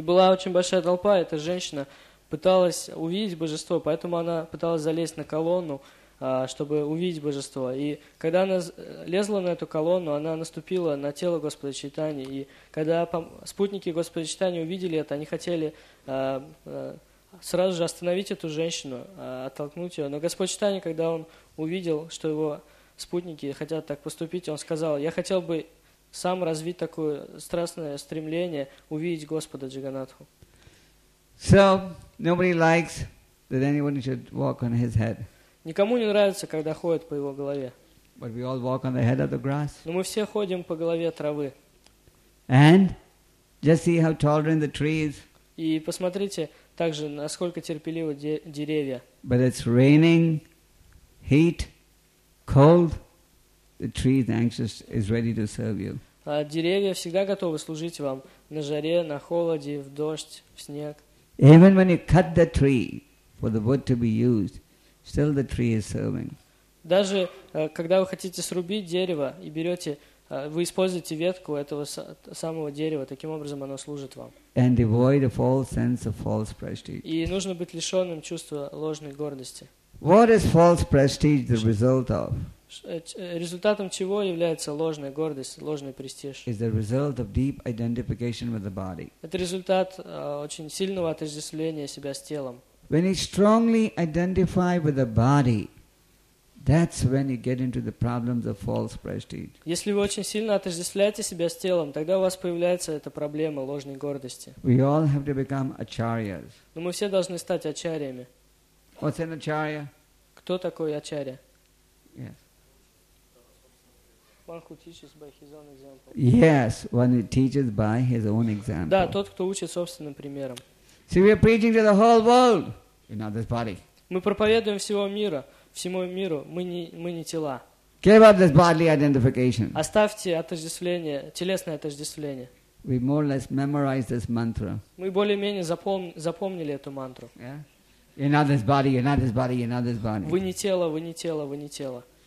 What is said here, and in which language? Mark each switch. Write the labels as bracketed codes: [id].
[ru] И была очень большая толпа, эта женщина пыталась увидеть божество, поэтому она пыталась залезть на колонну, чтобы увидеть божество. И когда она лезла на эту колонну, она наступила на тело Господа Чайтаньи. И когда спутники Господа Чайтаньи увидели это, они хотели сразу же остановить эту женщину, оттолкнуть ее. Но Господь Чайтанья, когда он увидел, что его спутники хотят так поступить, он сказал, я хотел бы сам развить такое страстное стремление увидеть Господа Джаганатху. [en] So, nobody likes that anyone should walk on his head. [ru] Никому не нравится, когда ходят по его голове. [en] But we all walk on the head of the grass. [ru] Но мы все ходим по голове травы. [en] And just see how tolerant the trees. [ru] И посмотрите, также, насколько терпеливы деревья. [en] But it's raining, heat, cold. The tree is anxious, is ready to serve you. [ru] Деревья всегда готовы служить вам на жаре, на холоде, в дождь, в снег. [en] Even when you cut the tree for the wood to be used, still the tree is serving. [ru] Даже когда вы хотите срубить дерево и берете, вы используете ветку этого самого дерева, таким образом оно служит вам. [en] And devoid of all sense of false prestige. [ru] И нужно быть лишенным чувства ложной гордости. [en] What is false prestige the result of? [ru] Результатом чего является ложная гордость, ложный престиж? [en] Is the result of deep identification with the body. [ru] Это результат очень сильного отождествления себя с телом. [en] When you strongly identify with the body, that's when you get into the problems of false prestige. [ru] Если вы очень сильно отождествляете себя с телом, тогда у вас появляется эта проблема ложной гордости. [en] We all have to become acharyas. [ru] Но мы все должны стать ачарьями. [en] What's an acharya? [ru] Кто такой ачарья? [en] Yes. One who teaches by his own example. Yes, one who teaches by his own example. [ru] Да, тот, кто учит собственным примером. [en] See, we are preaching to the whole world, not this body. [ru] Мы проповедуем всего мира, всему миру. Мы не тела. [en] Give up this bodily identification. [ru] Оставьте отождествление, телесное отождествление. [en] We more or less memorized this mantra. [ru] Мы более-менее запомнили эту мантру. [en] Yeah? You're not this body, you're not this body, you're not this body. [ru] Вы не тело, вы не тело, вы не тело.